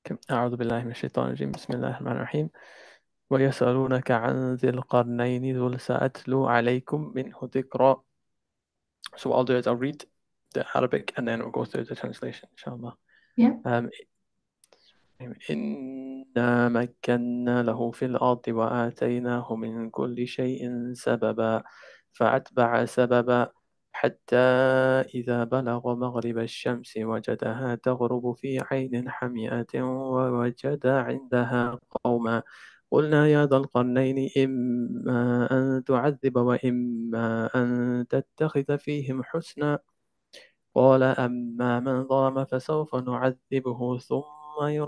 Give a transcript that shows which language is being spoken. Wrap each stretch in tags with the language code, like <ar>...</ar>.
<ar>أعوذ بالله من الشيطان الرجيم بسم الله الرحمن الرحيم ويسألونك عن ذي القرنين ذل سأتلو عليكم منه ذكرى.</ar> <en>So what I'll do is I'll read the Arabic and then we'll go through the translation inshallah.</en> <ar>إنا مكنا له في الأرض وآتيناه من كل شيء سببا فأتبع سببا حتى إذا بلغ مغرب الشمس وجدها تغرب في عين حمئة ووجد عندها قوما قلنا يا ذا القرنين إما أن تعذب وإما أن تتخذ فيهم حسنا قال أما من ظلم فسوف نعذبه ثم</ar>